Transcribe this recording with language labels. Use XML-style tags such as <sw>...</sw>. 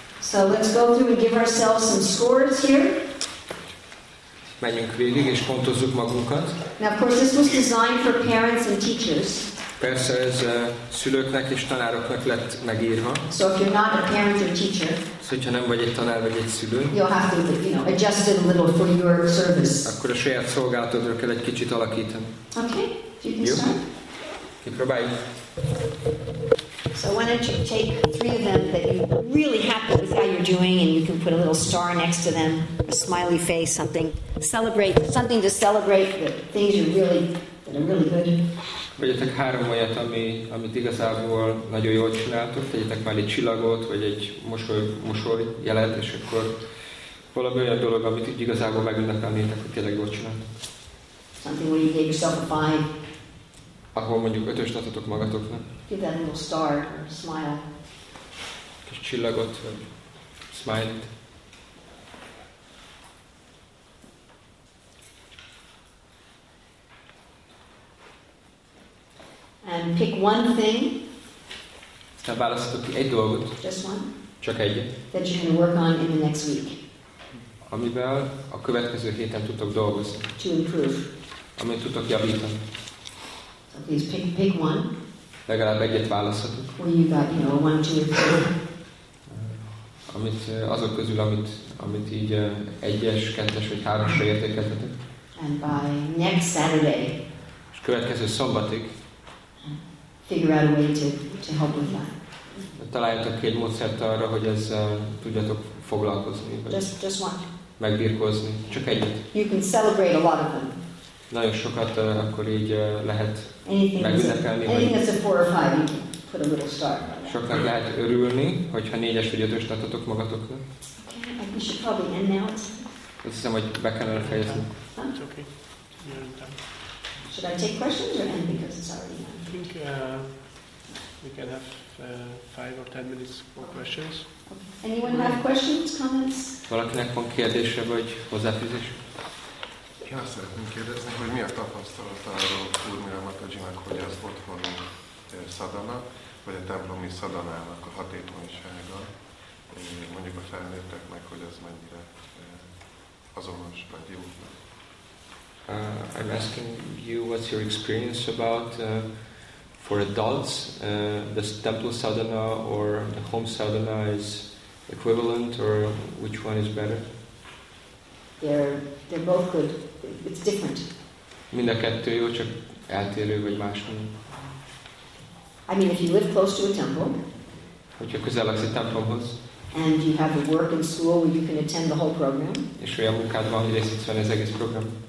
<en>So let's go through and give ourselves some scores here.</en> <hu>Menjünk végig és pontozzuk magunkat.</hu> <en>Now, of course, this was designed for parents and teachers.</en> <hu>Persze ez szülőknek és tanároknak lett megírva.</hu> <en>So if you're not a parent or teacher,</en> <hu>hogyha nem vagy egy tanár vagy egy szülő,</hu> <en>you'll have to, you know, adjust it a little for your service.</en> <hu>Akkor a saját szolgálatodra kell egy kicsit alakítani.</hu> <en>Okay, you can start.</en> <hu>Kipróbáljuk.</hu> <en>So why don't you take three of them that you really happy with how you're doing, and you can put a little star next to them, a smiley face, something. Celebrate, something to celebrate the things you're really, that are really good.</en> <hu>Vegyetek három olyat, amit igazából nagyon jól csináltok, tegyetek már egy csillagot, vagy egy mosoly jelet, és akkor valami olyan dolog, amit igazából megünnepelnétek, hogy tényleg jól csináltok.</hu> <en>Something where you gave yourself a five.</en> <hu>Ahol mondjuk ötöst adhatok magatoknak.</hu> <en>Give that little star, smile.</en> <hu>Kis csillagot, vagy smile-t.</hu> <en>And pick one thing.</en> <hu>Aztán választhatok ki egy dolgot.</hu> <en>Just one.</en> <hu>Csak egyet.</hu> <en>That you can work on in the next week.</en> <hu>Amivel a következő héten tudtok dolgozni.</hu> <en>To improve.</en> <hu>Amit tudtok javítani.</hu> <en>So please pick one.</en> <hu>Legalább egyet választhatok.</hu> <en>Where you got, you know, one, two, three.</en> <hu>Amit azok közül, amit így egyes, kettes vagy háromra értékelhetek.</hu> <en>And by next Saturday.</en> <hu>És következő szombatig.</hu> <en>Figure out a way to help with that.</en> <hu>Találjátok egy módszert arra, hogy ezzel tudjatok foglalkozni.</hu> <en>Just one.</en> <hu>Megbírkozni. Csak egyet.</hu> <en>You can celebrate a lot of them.</en> <hu>Nagyon sokat akkor így lehet megünnepelni.</hu> <en>Anything that's a four or five, you can put a little star on that.</en> <hu>Soknak lehet örülni, hogyha négyes vagy ötös tartatok magatoknak.</hu> <en>Okay, we should probably end now.</en> <hu>Azt hiszem, hogy be kellene fejezni.</hu> <en>It's okay. Should I take questions or end because it's already done? I think we can have 5 or 10 minutes for questions. Anyone have questions, comments?</en> <hu>Valakinek van kérdése vagy hozzáfűzés? Én azt szeretném kérdezni, hogy mi a tapasztalatáról Urmila Matajinak, hogy az otthoni szadana, vagy a templomi szadanának a hatékonysága, mondjuk a felnőtteknek, hogy az mennyire azonos vagy jó.</hu> <en>I'm asking you, what's your experience about for adults, the temple sadhana or the home sadhana is equivalent, or which one is better? They're both good. It's different.</en> <hu>Mind a kettő jó, csak eltérő vagy más.</hu> <en>I mean, if you live close to a temple,</en> <hu>hogyha közel laksz egy templomhoz,</hu> <en>and you have a work in school where you can attend the whole program,</en> <hu>és olyan munkád van, hogy részt venni az egész program,</hu>